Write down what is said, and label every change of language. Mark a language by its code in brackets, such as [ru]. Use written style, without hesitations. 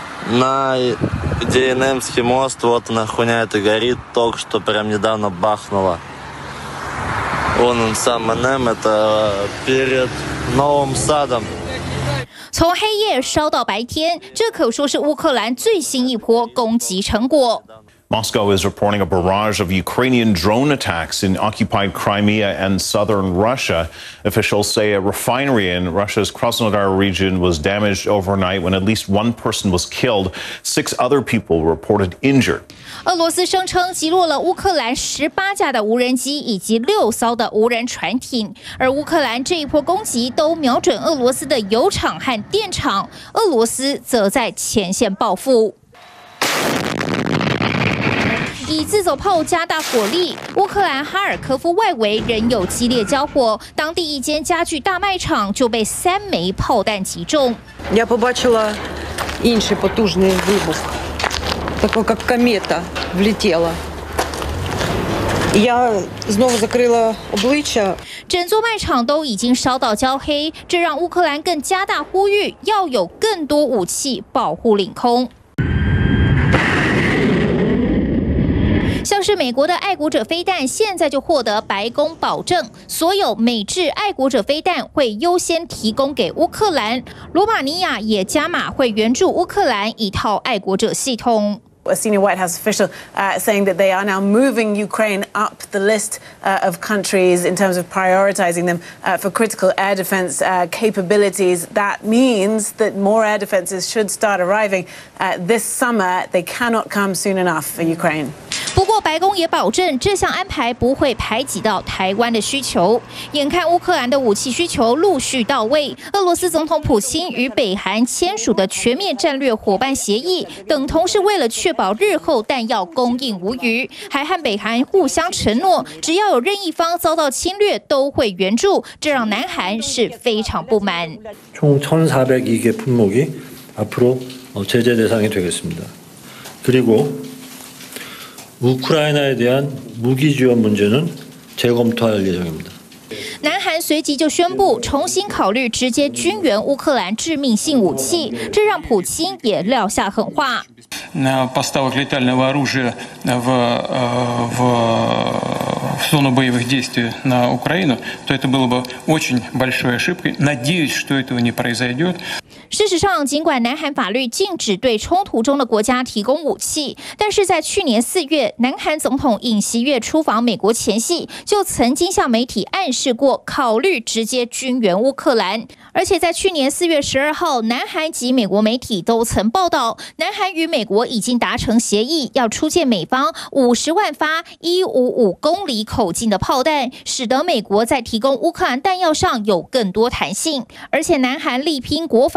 [ru] На Денемский мост вот нахуй это горит, только что прям недавно бахнуло. Вон он сам НМ, это перед Новым Садом. [zh] 从黑夜烧到白天，这可说是乌克兰最新一波攻击成果。 [en] Moscow is reporting a barrage of Ukrainian drone attacks in occupied Crimea and southern Russia. Officials say a refinery in Russia's Krasnodar region was damaged overnight when at least one person was killed. Six other people reported injured. [zh] 俄罗斯声称击落了乌克兰18架的无人机以及6艘的无人船艇，而乌克兰这一波攻击都瞄准俄罗斯的油厂和电厂，俄罗斯则在前线报复。以自走炮加大火力，乌克兰哈尔科夫外围仍有激烈交火，当地一间家具大卖场就被三枚炮弹击中。 [uk] Я побачила інший потужний вибух, [ru] такой как комета влетела. [uk] Я знову закрила обличчя. [zh] 整座卖场都已经烧到焦黑，这让乌克兰更加大呼吁要有更多武器保护领空。像是美国的爱国者飞弹现在就获得白宫保证，所有美制爱国者飞弹会优先提供给乌克兰，罗马尼亚也加码会援助乌克兰一套爱国者系统。 [en] A senior White House official saying that they are now moving Ukraine up the list of countries in terms of prioritizing them for critical air defense capabilities. That means that more air defenses should start arriving this summer. They cannot come soon enough for Ukraine. [zh] 不过白宫也保证这项安排不会排挤到台湾的需求。眼看乌克兰的武器需求陆续到位，俄罗斯总统普京与北韩签署的全面战略伙伴协议等同是为了确保日后弹药供应无虞，还和北韩互相承诺，只要有任一方遭到侵略，都会援助，这让南韩是非常不满。 [ko] 총1,402개품목이앞으로제재대상이되겠습니다그리고우크라이나에대한무기지원문제는재검토할예정입니다 [zh] 南韩随即就宣布重新考虑直接军援乌克兰致命性武器，这让普京也撂下狠话。 [ru] На поставок летального оружия в зону боевых действий на Украину, то это было бы очень большой ошибкой. Надеюсь, что этого не произойдет. [zh] 事实上，尽管南韩法律禁止对冲突中的国家提供武器，但是在去年四月，南韩总统尹锡悦出访美国前夕，就曾经向媒体暗示过考虑直接军援乌克兰。而且在去年4月12号，南韩及美国媒体都曾报道，南韩与美国已经达成协议，要出借美方50万发155公里口径的炮弹，使得美国在提供乌克兰弹药上有更多弹性。而且南韩力拼国防